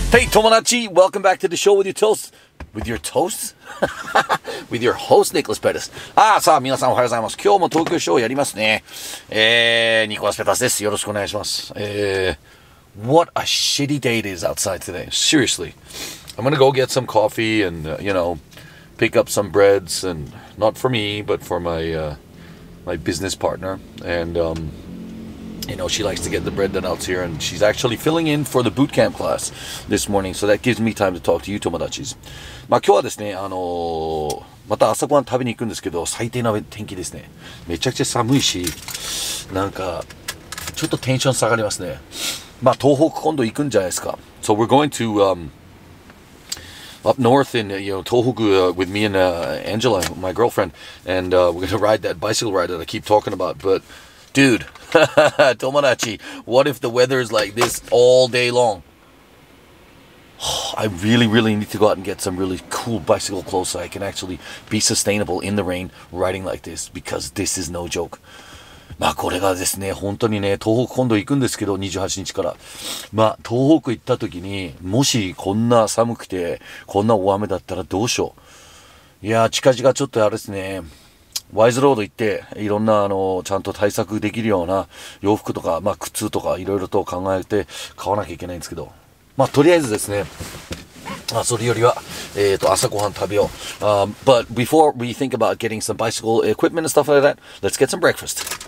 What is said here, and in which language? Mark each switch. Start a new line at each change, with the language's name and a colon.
English: Tomodachi, welcome back to the show with your toast. With your host, Nicholas Pettis.
Japanese: Ah, さあ、皆さんおはようございます。今日も東京ショーをやりますね。 Nicholas Pettis です。よろしくお願いします。
English: What a shitty day it is outside today. Seriously. I'm going to go get some coffee and, you know, pick up some breads. And not for me, but for my, my business partner. And, you know, she likes to get the bread done out here. And she's actually filling in for the boot camp class this morning. So that gives me time to talk to you, tomodachis.
Japanese: まあ今日はですね、また朝ごはん食べに行くんですけど、最低な天気ですね。めちゃくちゃ寒いし、なんか、ちょっとテンション下がりますね。まあ東北今度行くんじゃないですか。
English: So we're going to, up north in, you know, Tohoku, with me and, Angela, my girlfriend. And, we're going to ride that bicycle ride that I keep talking about. But, dude, tomodachi, what if the weather is like this all day long? I really, really need to go out and get some really cool bicycle clothes so I can actually be sustainable in the rain riding like this, because this is no joke.
Japanese: まあこれがですね、本当にね、東北今度行くんですけど、28日から。まあ東北行った時に、もしこんな寒くて、こんな大雨だったらどうしよう。いやー、近々ちょっとあれですね、ワイズロード行って、いろんなちゃんと対策できるような洋服とか、まあ靴とかいろいろと考えて買わなきゃいけないんですけど。まあとりあえずですね、まあそれよりは、朝ごはん食べよう。
English: But before we think about getting some bicycle equipment and stuff like that, let's get some breakfast.